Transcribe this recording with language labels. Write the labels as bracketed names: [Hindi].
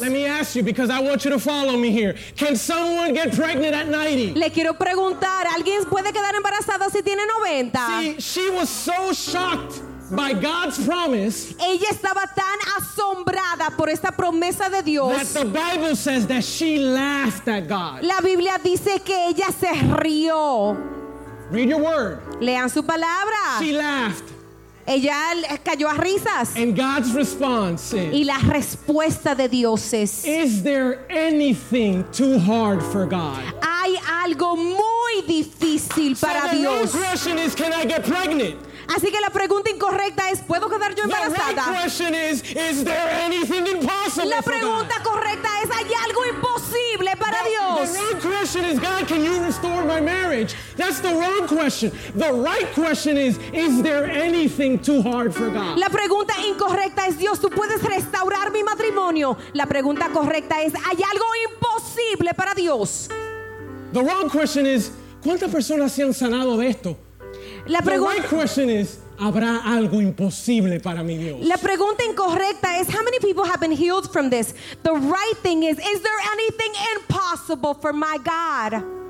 [English] Let me ask you, because I want you to follow me here. Can someone get pregnant at 90? [Spanish] Le quiero preguntar, ¿alguien puede quedar embarazada si tiene 90? [English] See, she was so shocked by God's promise. [Spanish] Ella estaba tan asombrada por esta promesa de Dios. [English] That the Bible says that she laughed at God. [Spanish] La Biblia dice que ella se rió. [English] Read your word. [Spanish] Lean su palabra. [English] She laughed. [Spanish] Ella cayó a risas. [English] And God's response is, [Spanish] y la respuesta de Dios es, [English] is there anything too hard for God? [Spanish] Hay algo muy difícil [English] so [Spanish] para Dios. [English] The wrong question is, can I get pregnant? [Spanish] Así que la pregunta incorrecta es, ¿puedo quedar yo embarazada? [English] The right question is there anything impossible? [Spanish] La pregunta correcta es, ¿hay algo imposible para Dios? [English] The wrong question is, God, can you restore my marriage? That's the wrong question. The right question is there anything too hard for God? [Spanish] La pregunta incorrecta es, Dios, ¿tú puedes restaurar mi matrimonio? La pregunta correcta es, ¿hay algo imposible para Dios? [English] The wrong question is, [Spanish] ¿cuántas personas se han sanado de esto? [English] The right question is, [Spanish] ¿habrá algo imposible para mi Dios? La pregunta incorrecta es, [English] how many people have been healed from this? The right thing is there anything impossible for my God?